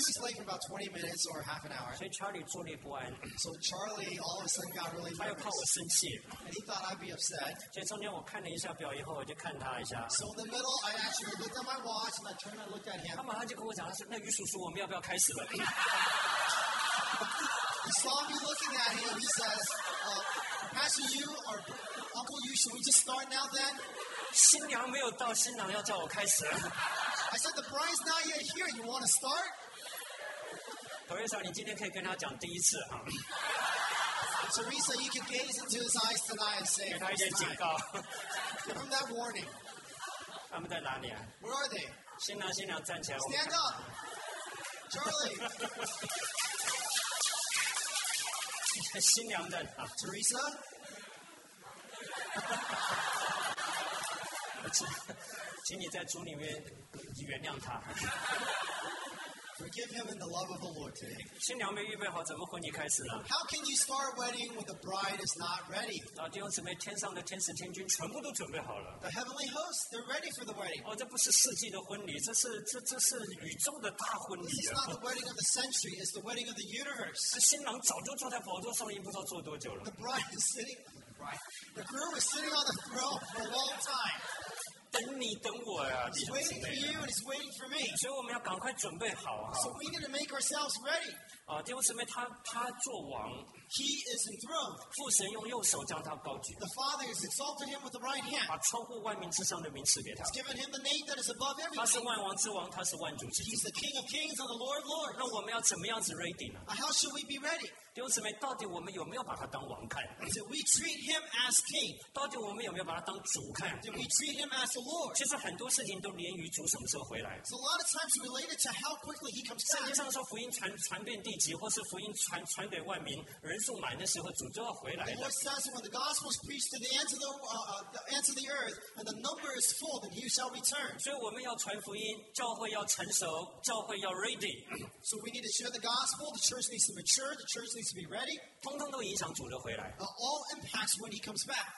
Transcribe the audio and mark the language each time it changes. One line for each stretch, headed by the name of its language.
English: She was late for about 20 minutes or half an hour.
Chinese: 所以Charlie坐立不安。
English: So Charlie all of a sudden got really nervous.
Chinese: 他又怕我生气。
English: And he thought I'd be upset.
Chinese: 所以中间我看了一下表以后，我就看他一下。
English: So in the middle, I actually looked at my watch, and I turned and looked at him.
Chinese: 他马上就跟我讲，他说：“那于叔叔，我们要不要开始了？”
English: He saw me looking at him and he says, Pastor Yu or Uncle Yu, should we just start now then?
Chinese: 新娘没有到,
English: I said, the bride's not yet here, you want to start? Teresa, Teresa, you can gaze into his eyes tonight and say, first time. Give him that warning.
Chinese: 他们在哪里啊?
English: Where are they?
Chinese: 新娘,
English: stand up! Charlie!
Chinese: 新娘的啊，Teresa， 请你在主里面原谅他。
English: Forgive him in the love of the Lord today.
Chinese: 新娘没预备好，怎么婚礼开始呢？
English: How can you start a wedding when the bride is not ready?
Chinese: 弟兄姊妹，天上的天使天君全部都准备好了。
English: The heavenly hosts, they're ready for the wedding.
Chinese: 这不是世纪的婚礼，这是宇宙的大婚礼。
English: This is not the wedding of the century, it's the wedding of the universe.
Chinese: 新郎早就坐在宝座上，也不知道坐多久了。
English: The bride is sitting, the groom is sitting on the throne for a long time.
Chinese: 等你等我呀,
English: he's waiting for you and he's waiting for me.
Chinese: 所以我们要赶快准备好啊。
English: So we need to make ourselves ready.
Chinese: 弟兄姊妹，他做王。
English: He is enthroned.
Chinese: 父神用右手将他高举。
English: The Father has exalted him with the right hand.
Chinese: 把超乎万民之上的名赐给他。
English: He's given him the name that is above everything.
Chinese: 他是万王之王, 他是万主之主。
English: He's the King of Kings and the Lord of Lords.
Chinese: 那我们要怎么样子 ready 呢？
English: How should we be ready?
Chinese: 弟兄姊妹，到底我们有没有把他当王看？
English: Do we treat him as king?
Chinese: 到底我们有没有把他当主看？
English: Do we treat him as the Lord?
Chinese: 其实很多事情都连于主什么时候回来。
English: So a lot of times related to how quickly he comes back.
Chinese: 圣经上说福音传遍地极，或是福音传给万民。人数满的时候，主就要回来了。
English: The Lord says, when the gospel is preached to the ends of the earth, and the number is full, then you shall return.
Chinese: 所以我们要传福音，教会要成熟，教会要 ready.
English: So we need to share the gospel. The church needs to mature. The church needs to be ready.
Chinese: 通通都影响主的回来。
English: All impact. that's when he comes back.